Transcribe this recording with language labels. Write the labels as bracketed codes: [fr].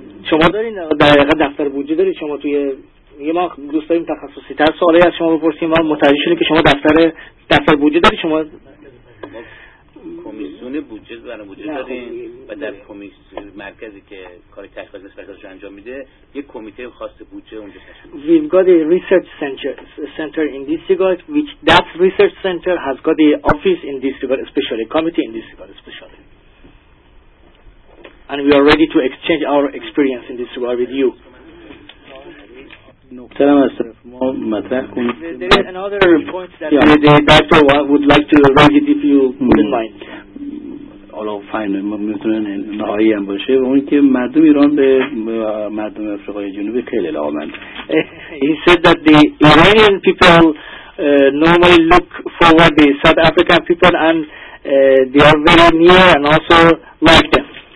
[fa] شما دارین در واقع دفتر بودجه دارین شما توی یه ما دوست داریم تخصصی تر سوالی از شما بپرسیم و متوجه شدیم که شما دفتر بودجه دارین شما کمیسیون بودجه برای بودجه دارین و در کمیسیون مرکزی که کار تشخیص مسئله‌ها انجام میده یک کمیته خاص بودجه اونجا تشکیل شده. [en] We've got a research center in this regard, which that research center has got a office in this regard especially, committee in this regard especially. And we are ready to exchange our experience in this regard with you. There is another point that the doctor would like to raise it if you wouldn't mind. [fa] حالا فاین میتونن نهایی هم باشه و اون که مردم ایران به مردم افریقای جنوبی خیلی علاقمند. [en] He said that the Iranian people normally look forward the South African people and they are very near and also like them.